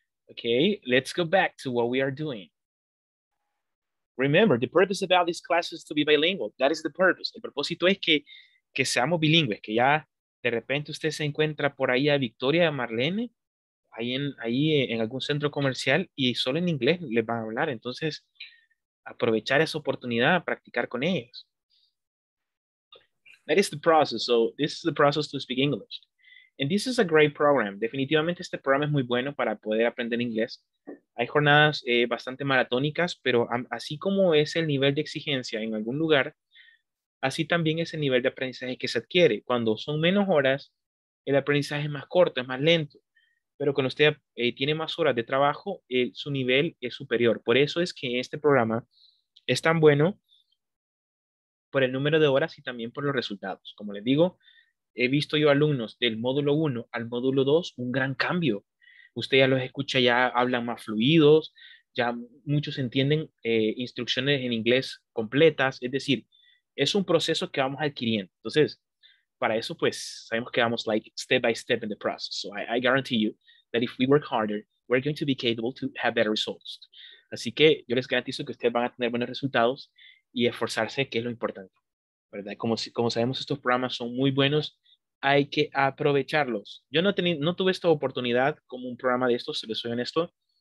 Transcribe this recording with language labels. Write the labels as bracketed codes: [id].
[en] Okay, let's go back to what we are doing. Remember, the purpose about this class is to be bilingual. That is the purpose. [es] El propósito es que seamos bilingües, que ya de repente usted se encuentra por ahí a Victoria, a Marlene, ahí en algún centro comercial y solo en inglés les van a hablar. Entonces, aprovechar esa oportunidad a practicar con ellos. [en] That is the process. So, this is the process to speak English. And this is a great program. [es] Definitivamente este programa es muy bueno para poder aprender inglés. Hay jornadas bastante maratónicas, pero así como es el nivel de exigencia en algún lugar, así también es el nivel de aprendizaje que se adquiere. Cuando son menos horas, el aprendizaje es más corto, es más lento. Pero cuando usted tiene más horas de trabajo, su nivel es superior. Por eso es que este programa es tan bueno por el número de horas y también por los resultados. Como les digo, he visto yo alumnos del módulo 1 al módulo 2, un gran cambio. Usted ya los escucha, ya hablan más fluidos, ya muchos entienden instrucciones en inglés completas. Es decir, es un proceso que vamos adquiriendo. Entonces, para eso, pues, sabemos que vamos [en] like step by step in the process. So I guarantee you that if we work harder, we're going to be capable to have better results. [es] Así que yo les garantizo que ustedes van a tener buenos resultados y esforzarse, que es lo importante. ¿Verdad? Como sabemos, estos programas son muy buenos. Hay que aprovecharlos. Yo no tuve esta oportunidad como un programa de estos, se les soy honesto.